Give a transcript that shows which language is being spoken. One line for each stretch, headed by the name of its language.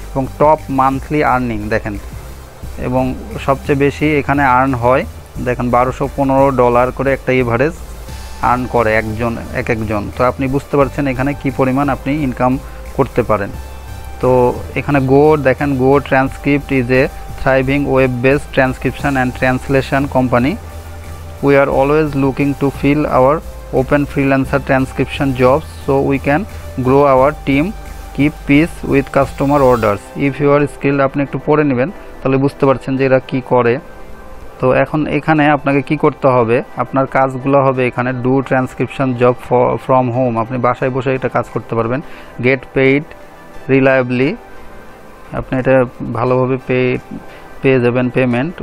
Bangla: এবং top monthly earning দেখেন, এবং সবচেয়ে বেশি এখানে আর্ন হয় দেখেন $1215 করে একটা এভারেজ আর্ন করে একজন এক একজন। তো আপনি বুঝতে পারছেন এখানে কী পরিমাণ আপনি ইনকাম করতে পারেন। তো এখানে গো দেখেন,
English: GoTranscript is a thriving web-based transcription and translation company. We are always looking to fill our open freelancer transcription jobs so we can grow our team, keep pace with customer orders. If you are skilled,
Bangla: আপনি একটু পড়ে নেবেন তাহলে বুঝতে পারছেন যে এরা কি করে। তো এখন এখানে আপনাকে কি করতে হবে, আপনার কাজগুলো হবে এখানে
English: do transcription job from home,
Bangla: আপনি বাসায় বসে এটা কাজ করতে পারবেন।
English: get paid reliably,
Bangla: আপনি এটা ভালোভাবে পেয়ে যাবেন পেমেন্ট।